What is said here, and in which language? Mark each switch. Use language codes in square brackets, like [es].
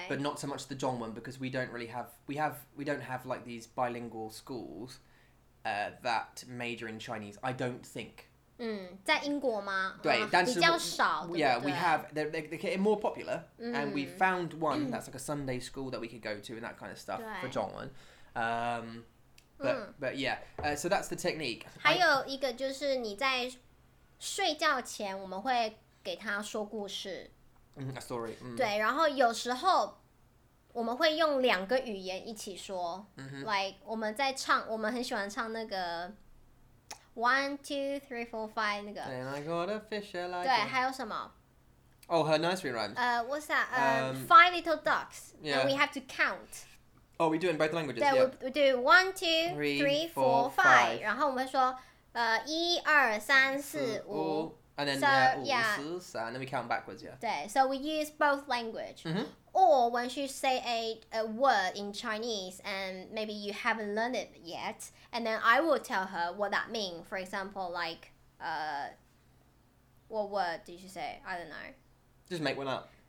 [en] But not so much the Zhongwen, because we don't really have, we don't have like these bilingual schools that major in Chinese, I don't think. [zh] 嗯，在英国吗？对，但是比较少。 [en] Yeah, we have they're more popular,、嗯、and we found one that's like a Sunday school that we could go to and that kind of stuff for Zhongwen. But yeah, so that's the technique. [zh] 还有一个就是你在睡觉前，我们会给他说故事。 [en] A story.、嗯、 [zh] 对，然后有时候我们会用两个语言一起说、嗯、，like 我们在唱，我们很喜欢唱那个。 1, 2, 3, 4, 5 那个。 [en] And I got a fish like. [zh] 对，还有什么 [en] ？Oh, her nursery rhymes. What's that? Five little ducks. Yeah. And we have to count. Oh, we do in both languages. [zh] 对、 [en] yeah. we do 1, 2, 3, 4, 5. [zh] 然后我们说，一二三四五。 [en] And then so, yeah, [zh] 五四三。 [en] Then we count backwards. Yeah. 对 ，so we use both language.、 Mm-hmm. Or when you say a word in Chinese and maybe you haven't learned it yet. And then I will tell her what that means. For example, like, what word did you say? I don't know. Just make one up.